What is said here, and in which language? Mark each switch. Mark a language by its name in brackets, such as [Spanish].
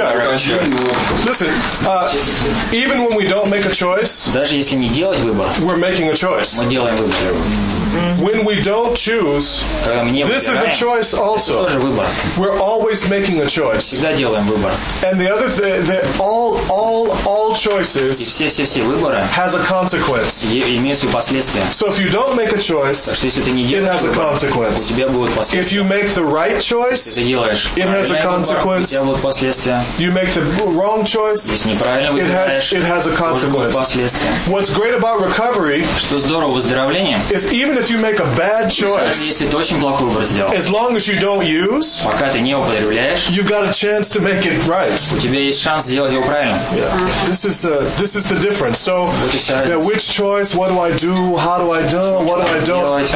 [English] Listen, even when we don't make a choice, [Russian] даже если не делать выбор, [English] we're making a choice. [Russian] Мы делаем выбор. [English] When we don't choose, [Russian] когда мы не [English] this [Russian] выбираем, [English] is a choice also. [Russian] Это тоже выбор. [English] We're always making a choice. [Russian] Всегда делаем выбор. [English] And the other thing, that all choices [Russian] все выборы [English] has a consequence. [Russian] Имеют свои последствия. [English] So if you don't make a choice, [Russian] так что если ты не делаешь [English] it has [Russian] выбор, [English] a consequence. [Russian] У тебя будут последствия. [English] If you make the right choice, [Russian] если ты делаешь [English] it has a consequence. [Russian] Выбор, у тебя будут последствия. [English] You make the wrong choice, [Russian] если неправильно выбираешь, [English] it has a consequence. [Russian] Последствия. [English] What's great about recovery, [Russian] что здорово выздоровление, [English] is even as you make a bad choice, as long as you don't use, you've got a chance to make it right. This is the difference. So, which choice, what do I do, how do I do, what do I do?